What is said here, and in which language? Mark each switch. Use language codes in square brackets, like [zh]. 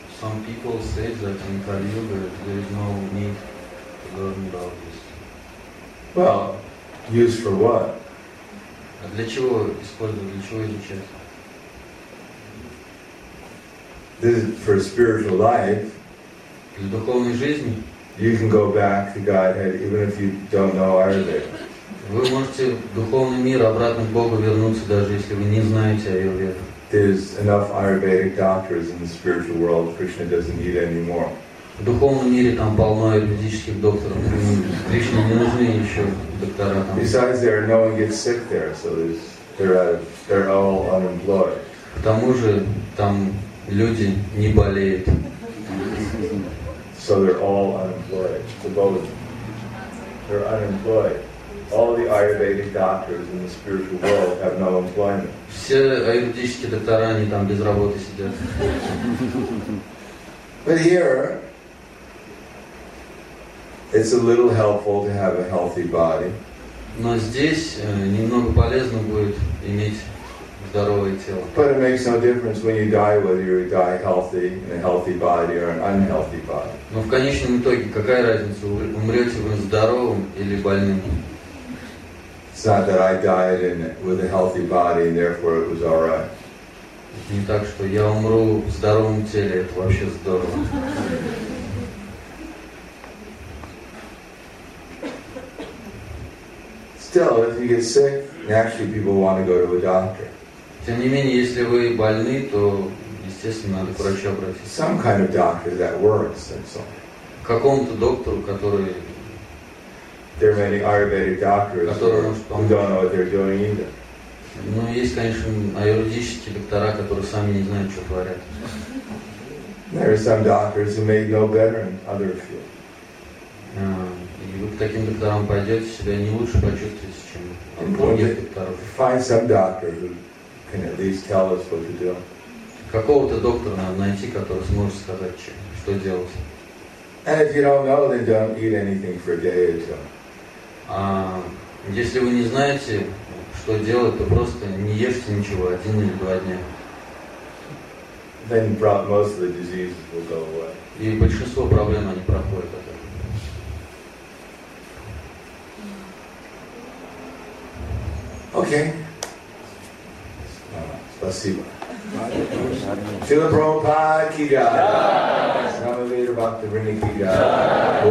[en] Some people say that in Kali Yuga there is no need to learn about this. Well, use for what? [ru] А для чего использовать, для чего изучать? [en] This is for spiritual life. [ru] Для духовной жизни. [en] You can go back to Godhead even if you don't know Ayurveda. [ru] Вы можете в духовный мир обратно к Богу вернуться, даже если вы не знаете Айурведу. [en] There's enough Ayurvedic doctors in the spiritual world. Krishna doesn't need any more. [ru] В духовном мире там полно аюрведических докторов. Кришне не нужны еще доктора там. [en] Besides there, no one gets sick there, so there's they're all unemployed. [ru] К тому же там люди не болеют. [en] So they're all unemployed. The both. They're unemployed. All the Ayurvedic doctors in the spiritual world have no employment. [ru] Все аюрведические доктора, они там без работы сидят. [en] But here, it's a little helpful to have a healthy body. [ru] Но здесь немного полезно будет иметь здоровое тело. [en] But it makes no difference when you die whether you die healthy in a healthy body or an unhealthy body. [ru] Но в конечном итоге какая разница, умрете вы здоровым или больным? [en] It's not that I died in it with a healthy body and therefore it was all right. [ru] Не так, что я умру в здоровом теле, это вообще здорово. [en] Still, if you get sick, naturally people want to go to a doctor. [ru] Тем не менее, если вы больны, то естественно надо к врачу обратиться. [en] Some kind of doctor that works, that's all. [ru] Какому-то доктору, который. [en] There are many Ayurvedic doctors who don't know what they're doing either. [ru] Ну, есть, конечно, аюрведические доктора, которые сами не знают, что творят. [en] There are some doctors who may know better in other fields. [ru] И вы к таким докторам пойдете, себя не лучше почувствуете, чем других докторов. [en] Find some doctor who can at least tell us what to do. [ru] Какого-то доктора надо найти, который сможет сказать, что делать. [en] And if you don't know, then don't eat anything for a day or two. [ru] Если вы не знаете, что делать, то просто не ешьте ничего один или два дня. [en] Then most of the diseases will go away. [ru] И большинство проблем они проходят от этого. Окей. Спасибо. Шрила Прабхупада ки джай. Намо Бхакти Вриндаваны ки джай.